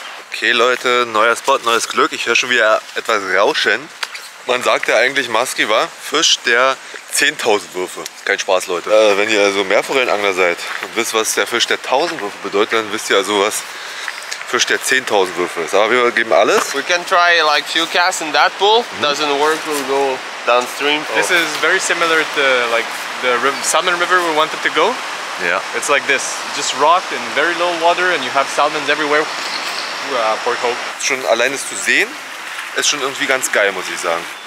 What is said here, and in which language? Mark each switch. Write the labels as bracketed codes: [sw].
[de] Okay, Leute, neuer Spot, neues Glück. Ich höre schon wieder etwas Rauschen. Man sagt ja eigentlich, Maski war Fisch der 10.000 Würfe. Kein Spaß, Leute. Wenn ihr also Meerforellenangler seid und wisst, was der Fisch der 1.000 Würfe bedeutet, dann wisst ihr also, was Fisch der 10.000 Würfe ist. Aber wir geben alles. [en] We can try like few casts in that pool. Doesn't work, we'll go downstream. Oh. This is very similar to like the salmon river we wanted to go. Yeah. It's like this, just rock and very little water and you have salmons everywhere. [de] Schon allein das zu sehen, ist schon irgendwie ganz geil, muss ich sagen.